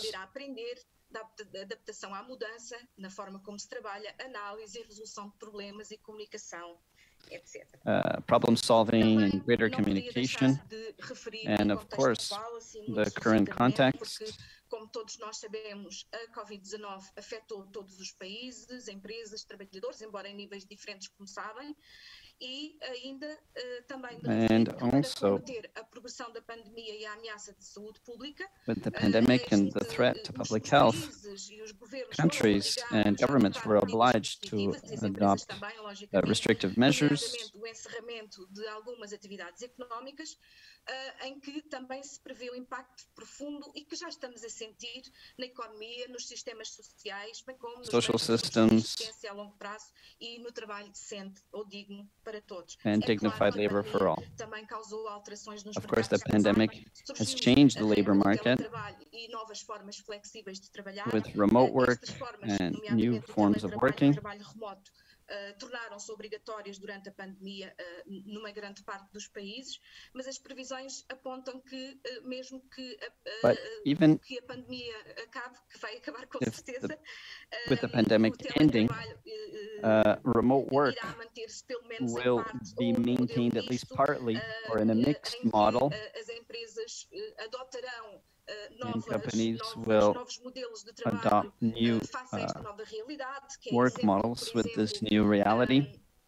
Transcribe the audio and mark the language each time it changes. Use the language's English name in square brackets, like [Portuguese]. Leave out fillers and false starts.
[Portuguese] aprender a aprender, da adaptação à mudança, na forma como se trabalha, análise e resolução de problemas e comunicação. [English] problem solving and greater communication, and of course, the current context. [Portuguese] Como todos nós sabemos, a COVID-19 afetou todos os países, empresas, trabalhadores, embora em níveis diferentes, como sabem, e ainda também para combater a progressão da pandemia e a ameaça de saúde pública. [English] With the pandemic and the threat to public health, countries and governments were obliged to adopt restrictive measures. [Portuguese] O encerramento de algumas atividades económicas, em que também se prevê um impacto profundo e que já estamos a sentir na economia, nos sistemas sociais, bem como nos [English] social systems, [Portuguese] de assistência a longo prazo e no trabalho decente ou digno para todos. [English] And [Portuguese] é [English] dignified [Portuguese] claro, [English] labor for all. [Portuguese] Também causou alterações nos [English] of course, the pandemic has changed the labor market [Portuguese] e novas formas flexíveis de trabalhar, [English] with remote work and new forms of working. [Portuguese] Tornaram-se obrigatórias durante a pandemia numa grande parte dos países, mas as previsões apontam que mesmo que a pandemia acabe, que vai acabar com certeza, [English] with the pandemic ending, remote work will be maintained at least partly or in a mixed model. [Portuguese] As empresas adoptarão [English] and companies will adopt new work models with this new reality.